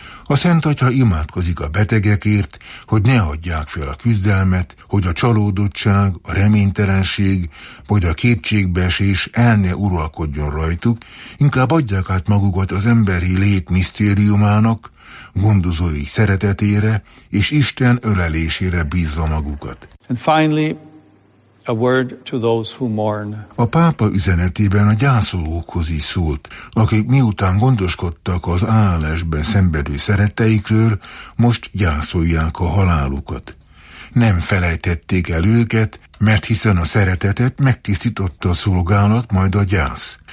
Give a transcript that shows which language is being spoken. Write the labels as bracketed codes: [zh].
[hu] A Szentatya imádkozik a betegekért, hogy ne adják fel a küzdelmet, hogy a csalódottság, a reménytelenség, vagy a kétségbeesés el ne uralkodjon rajtuk, inkább adják át magukat az emberi lét misztériumának, gondozói szeretetére és Isten ölelésére bízva magukat. [en] And finally, a word to those who mourn. [hu] A pápa üzenetében a gyászolókhoz is szólt, akik miután gondoskodtak az ALS-ben szenvedő szeretteikről, most gyászolják a halálukat. Nem felejtették el őket, mert hiszen a szeretetet megtisztította a szolgálat, majd a gyász.